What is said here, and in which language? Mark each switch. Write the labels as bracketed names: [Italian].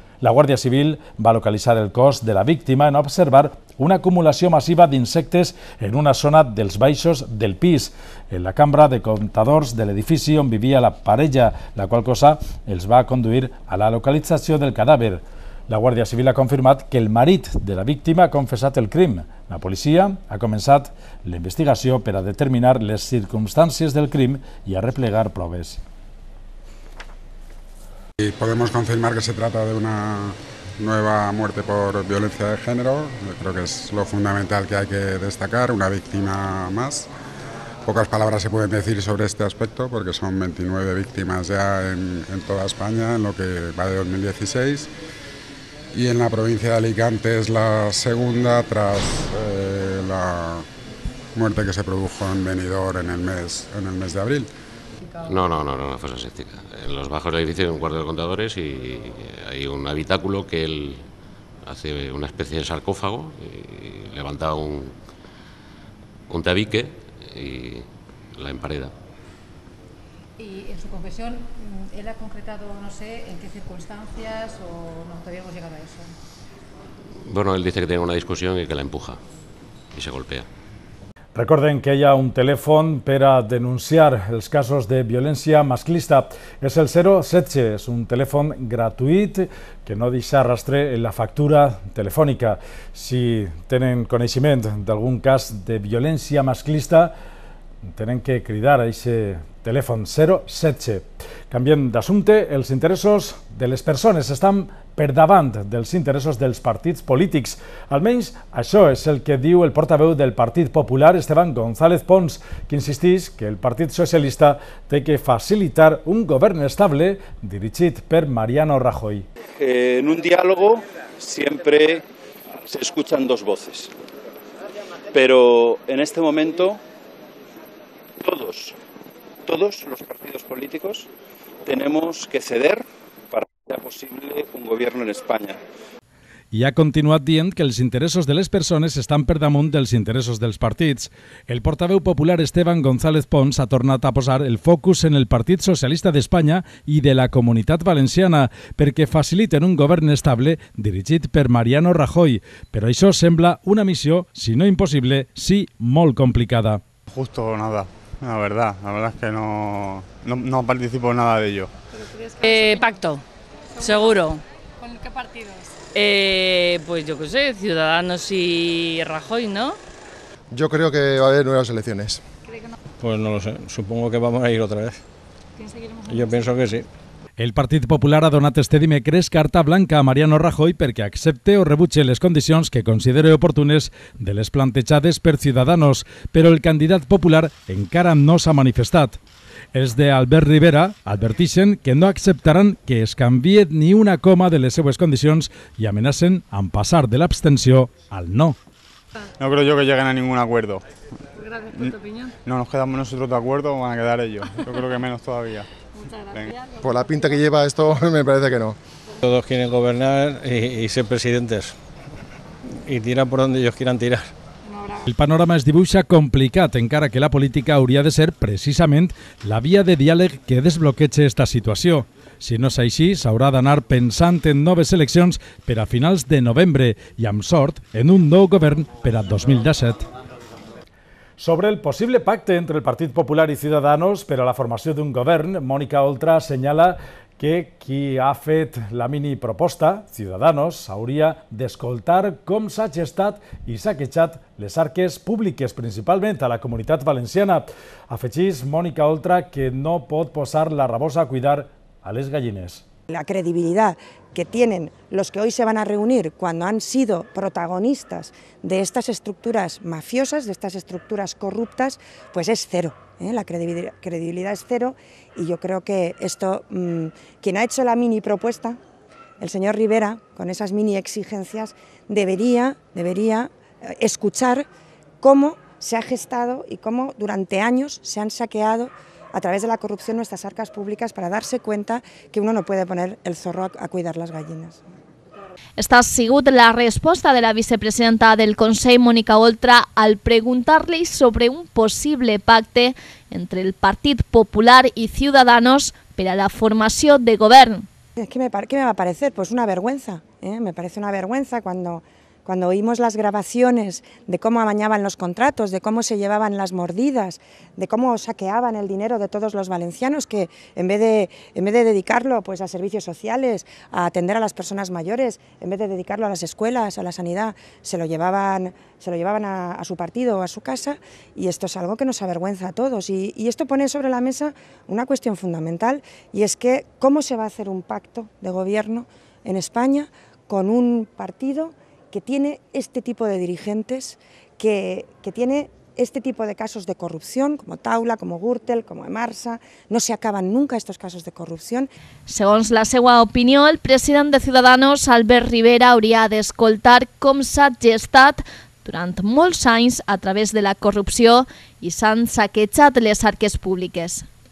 [Catalan] La Guàrdia Civil va localitzar el cos de la víctima en observar una acumulació massiva d'insectes en una zona dels baixos del pis, en la cambra de comptadors de l'edifici on vivia la parella, la qual cosa els va conduir a la localització del cadàver. La Guàrdia Civil ha confirmat que el marit de la víctima ha confessat el crim. La policia ha començat la investigació per a determinar les circumstàncies del crim i a replegar proves. [Spanish] Y podemos confirmar que se trata de una nueva muerte por violencia de género. Yo creo que es lo fundamental que hay que destacar, una víctima más. Pocas palabras se pueden decir sobre este aspecto porque son 29 víctimas ya en toda España en lo que va de 2016. Y en la provincia de Alicante es la segunda tras la muerte que se produjo en Benidorm en el mes de abril. No, fosa séptica. En los bajos del edificio hay un cuarto de contadores y hay un habitáculo que él hace una especie de sarcófago y levanta un tabique y la empareda. Y en su confesión, ¿él ha concretado, no sé, en qué circunstancias o no todavía hemos llegado a eso? Bueno, él dice que tiene una discusión y que la empuja y se golpea. [Catalan] Recorden que hi ha un telèfon per a denunciar els casos de violència masclista. És el 017, és un telèfon gratuït que no deixa rastre en la factura telefònica. Si tenen coneixement d'algun cas de violència masclista, tenen que cridar a aquest telèfon 017. Canviem d'assumpte, els interessos de les persones estan per davant dels interessos dels partits polítics. Almenys això és el que diu el portaveu del Partit Popular, Esteban González Pons, que insisteix que el Partit Socialista té que facilitar un govern estable dirigit per Mariano Rajoy. [Spanish] En un diálogo siempre se escuchan dos voces, pero en este momento todos los partidos políticos tenemos que ceder sea posible un gobierno en España. [Catalan] I ha continuat dient que els interessos de les persones estan per damunt dels interessos dels partits. El portaveu popular Esteban González Pons ha tornat a posar el focus en el Partit Socialista d'Espanya i de la Comunitat Valenciana perquè faciliten un govern estable dirigit per Mariano Rajoy. Però això sembla una missió, si no impossible, sí molt complicada. [Spanish] Justo nada. La verdad es que no participo en nada de ello. Pacto. Seguro. ¿Con qué partidos? Pues yo qué sé, Ciudadanos y Rajoy, ¿no? Yo creo que va a haber nuevas elecciones. ¿Cree que no? Pues no lo sé, supongo que vamos a ir otra vez. Yo pienso que sí. [Catalan] El Partit Popular ha donat este dimecres carta blanca a Mariano Rajoy perquè accepte o rebutge les condicions que considere oportunes de les plantejades per Ciudadanos, però el candidat popular encara no s'ha manifestat. Els de Albert Rivera adverteixen que no acceptaran que es canvie ni una coma de les seues condicions i amenacen amb passar de l'abstenció al no. [Spanish] No creo yo que lleguen a ningún acuerdo. Gracias por tu opinión. No, nos quedamos nosotros de acuerdo, van a quedar ellos. Yo creo que menos todavía. gracias. Por la pinta que lleva esto, me parece que no. Todos quieren gobernar y ser presidentes. Y tiran por donde ellos quieran tirar. [Catalan] El panorama es dibuixa complicat, encara que la política hauria de ser precisament la via de diàleg que desbloqueixi esta situació. Si no és així, s'haurà d'anar pensant en noves eleccions per a finals de novembre i, amb sort, en un nou govern per a 2017. Sobre el possible pacte entre el Partit Popular i Ciudadanos per a la formació d'un govern, Mònica Oltra assenyala que qui ha fet la mini proposta, Ciudadanos, hauria d'escoltar com s'ha gestat i saquejat les arques públiques, principalment a la Comunitat Valenciana. Afegeix Mònica Oltra que no pot posar la rabosa a cuidar a les gallines. [Spanish] La credibilidad que tienen los que hoy se van a reunir cuando han sido protagonistas de estas estructuras mafiosas, de estas estructuras corruptas, pues es cero. La credibilidad es cero y yo creo que esto, quien ha hecho la mini propuesta, el señor Rivera, con esas mini exigencias, debería escuchar cómo se ha gestado y cómo durante años se han saqueado a través de la corrupción nuestras arcas públicas para darse cuenta que uno no puede poner el zorro a cuidar las gallinas. [Catalan] Esta ha sigut la resposta de la vicepresidenta del Consell, Mònica Oltra, al preguntar-li sobre un possible pacte entre el Partit Popular i Ciudadanos per a la formació de govern. [Spanish] ¿Qué me va a parecer? Pues una vergüenza. Me parece una vergüenza cuando oímos las grabaciones de cómo amañaban los contratos, de cómo se llevaban las mordidas, de cómo saqueaban el dinero de todos los valencianos, que en vez de dedicarlo pues a servicios sociales, a atender a las personas mayores, en vez de dedicarlo a las escuelas, a la sanidad, se lo llevaban a su partido o a su casa, y esto es algo que nos avergüenza a todos. Y esto pone sobre la mesa una cuestión fundamental, y es que cómo se va a hacer un pacto de gobierno en España con un partido que tiene este tipo de dirigentes, que tiene este tipo de casos de corrupción, como Taula, como Gürtel, como Emarsa. No se acaban nunca estos casos de corrupción. [Catalan] Segons la seva opinió, el president de Ciudadanos, Albert Rivera, hauria d'escoltar com s'ha gestat durant molts anys a través de la corrupció i s'han saquejat les arques públiques.